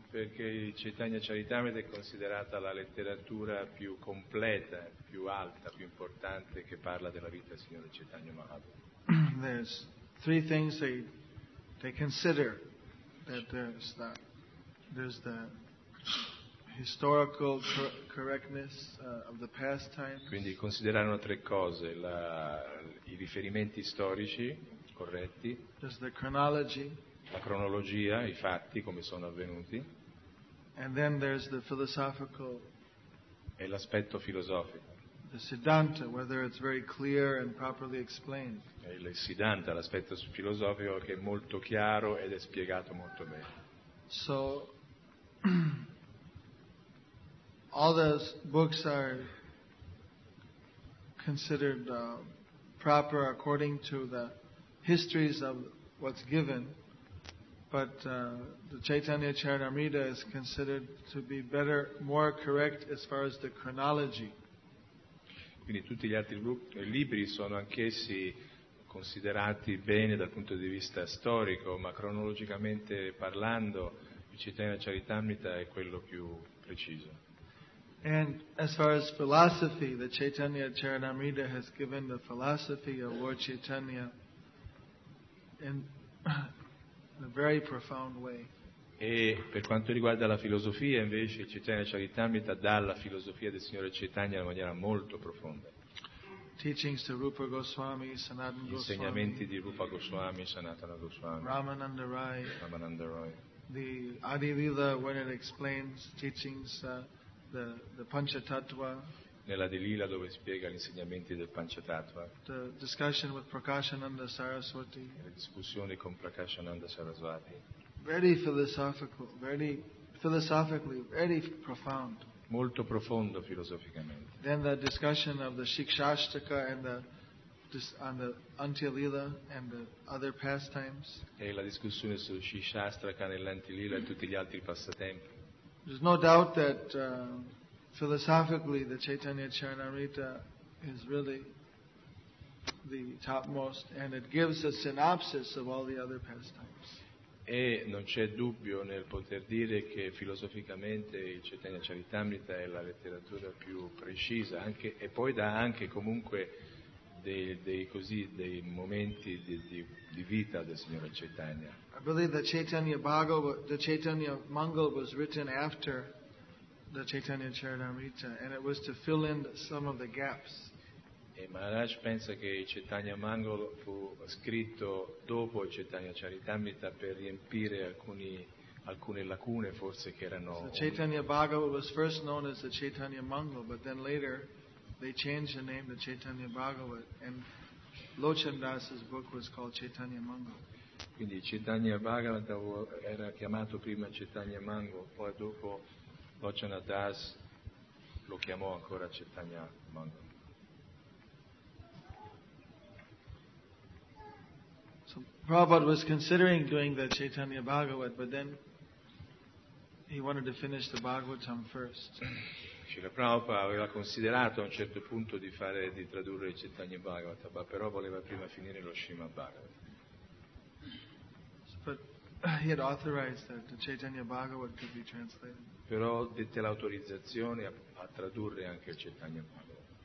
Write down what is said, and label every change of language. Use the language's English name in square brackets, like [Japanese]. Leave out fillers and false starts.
[Italian] Perché Chaitanya Charitamrita è considerata la letteratura più completa, più alta, più importante che parla della vita del Signore Chaitanya Mahaprabhu. [English] There's three things they consider that there's the historical correctness of the past time. [Italian] Quindi considerano tre cose: i riferimenti storici corretti, [English] the chronology, [Italian] la cronologia, i fatti come sono avvenuti, [English] and then there's the philosophical, [Italian] e l'aspetto filosofico, [English] the Siddhanta, whether it's very clear and properly explained. [Italian] E il Siddhanta, l'aspetto filosofico che è molto chiaro ed è spiegato molto bene. [English] So all those books are considered proper according to the histories of what's given, but the Chaitanya Charitamrita is considered to be better, more correct as far as the chronology. [Italian] Quindi tutti gli altri libri sono anch'essi considerati bene dal punto di vista storico, ma cronologicamente parlando, il Chaitanya Charitamrita è quello più preciso. [English] And as far as philosophy, the Chaitanya Charitamrita has given the philosophy of Lord Chaitanya in a very profound way. [Italian] E per quanto riguarda la filosofia, invece, il Chaitanya Charitamrita dà la filosofia del Signore Chaitanya in maniera molto profonda. [English] Teachings to Rupa Goswami, Sanatana Goswami. [Italian] Insegnamenti di Rupa Goswami, Sanatana Goswami. [English] Ramananda Rai. [Italian] Ramananda Rai. [English] The Adi Lila, when it explains teachings, the Panchatattva. [Italian] Nella Adi Lila dove spiega gli insegnamenti del Panchatattva. [English] The discussion with Prakashananda Saraswati. [Italian] Le discussioni con Prakashananda Saraswati. [English] Very philosophical, very philosophically, very profound. [Italian] Molto profondo filosoficamente. [English] Then the discussion of the Shikshashtaka and the on the Antilila and the other pastimes. [Italian] E la discussione su Shikshashtaka nell'Antilila e tutti gli altri passatempi. [English] There's no doubt that philosophically the Chaitanya Charitamrita is really the topmost, and it gives a synopsis of all the other pastimes. [Italian] E non c'è dubbio nel poter dire che filosoficamente il Chaitanya Charitamrita è la letteratura più precisa, anche, e poi dà anche comunque dei momenti di vita del Signore Chaitanya. [English] I believe the Chaitanya Bhagavata, the Chaitanya Mangala was written after the Chaitanya Charitamrita, and it was to fill in some of the gaps. [Italian] E Maharaj pensa che il Chaitanya Mangala fu scritto dopo il Chaitanya Charitamrita per riempire alcune lacune forse che erano. [English] So Chaitanya Bhagavata was first known as the Chaitanya Mangala, but then later they changed the name to Chaitanya Bhagavata, and Lochandas's book was called Chaitanya Mangala. [Italian] Quindi Chaitanya Bhagavata era chiamato prima Chaitanya Mangala, poi dopo Lochandas lo chiamò ancora Chaitanya Mangala. [English] Prabhupada was considering doing the Chaitanya Bhagavat, but then he wanted to finish the Bhagavatam first. [Italian] Srila Prabhupada aveva considerato a un certo punto di tradurre il Chaitanya Bhagavat, ma però voleva prima finire lo Srimad Bhagavat. [English] But he had authorized that the Chaitanya Bhagavat could be translated. [Italian] Però dette l'autorizzazione a tradurre anche il Chaitanya Bhagavat.